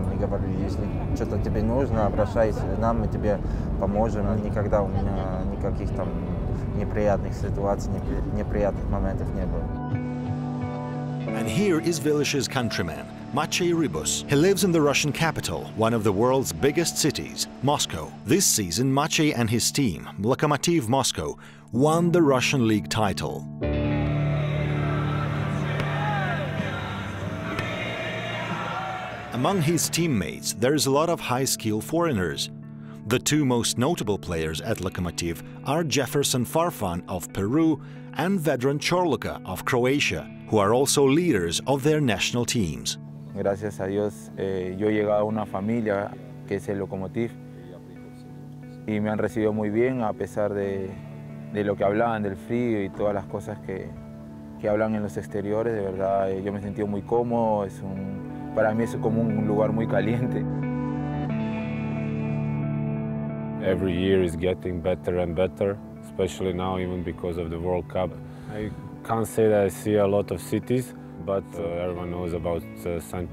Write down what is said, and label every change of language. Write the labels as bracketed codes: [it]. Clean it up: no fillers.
[ru] Мне говорили, если что-то тебе нужно, обращайся к нам, мы тебе поможем. Никогда у меня никаких там неприятных ситуаций, неприятных моментов не было. [en] And here is Vilius's countryman, Maciej Rybus. He lives in the Russian capital, one of the world's biggest cities, Moscow. This season, Maciej and his team, Lokomotiv Moscow, won the Russian league title. Among his teammates, there is a lot of high-skill foreigners. The two most notable players at Lokomotiv are Jefferson Farfan of Peru and Vedran Corluka of Croatia, who are also leaders of their national teams. [es] Gracias a Dios, yo he llegado a una familia que es el Lokomotiv, y me han recibido muy bien a pesar de lo que hablaban del frío y todas las cosas que hablan en los exteriores. De verdad, yo me he sentido muy cómodo. Es un Para mí es como un lugar muy caliente. [en] Every year is getting better and better, especially now even because of the World Cup. I can't say that I see a lot of cities, but everyone knows about St.